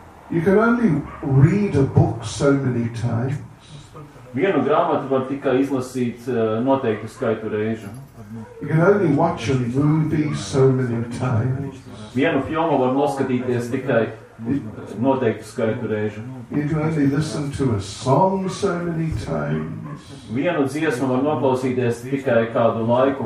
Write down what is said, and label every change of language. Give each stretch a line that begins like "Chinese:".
English: You can only read a book so many times.
Latvian: Vienu grāmatu var tikai izlasīt noteiktu skaitu reižu.
English: You can only watch a movie so many times.
Latvian: Vienu filmu var noskatīties tikai noteiktu skaitu reižu.
English: You can only listen to a song so many times.
Latvian: Vienu dziesmu var noklausīties tikai kādu laiku.